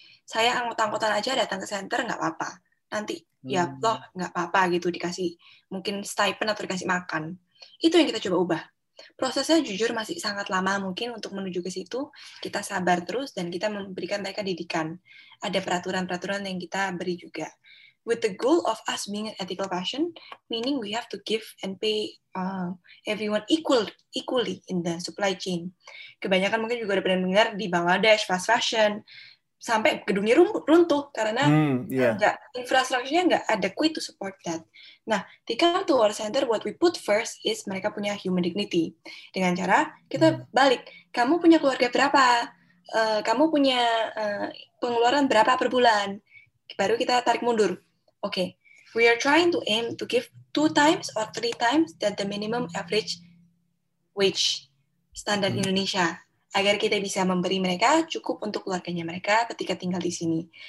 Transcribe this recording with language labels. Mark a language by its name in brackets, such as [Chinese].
[Indonesian] Saya angkut-angkutan aja datang ke center, nggak apa-apa. Nanti, ya loh, nggak apa-apa gitu, dikasih mungkin stipend atau dikasih makan. Itu yang kita coba ubah. Prosesnya jujur masih sangat lama mungkin untuk menuju ke situ. Kita sabar terus dan kita memberikan mereka didikan. Ada peraturan-peraturan yang kita beri juga. [English] With the goal of us being an ethical fashion, meaning we have to give and pay everyone equally in the supply chain. [Indonesian] Kebanyakan mungkin juga udah pernah dengar di Bangladesh, fast fashion, sampai gedungnya runtuh karena enggak, infrastrukturnya nggak [English] adequate to support that. Nah, to come to our center, what we put first is [Indonesian] mereka punya human dignity. Dengan cara kita balik, kamu punya keluarga berapa? Kamu punya pengeluaran berapa per bulan? Baru kita tarik mundur. [English] Oke, okay. We are trying to aim to give 2 times or 3 times that the minimum average wage standard Indonesia, [Indonesian] agar kita bisa memberi mereka cukup untuk keluarganya mereka ketika tinggal di sini.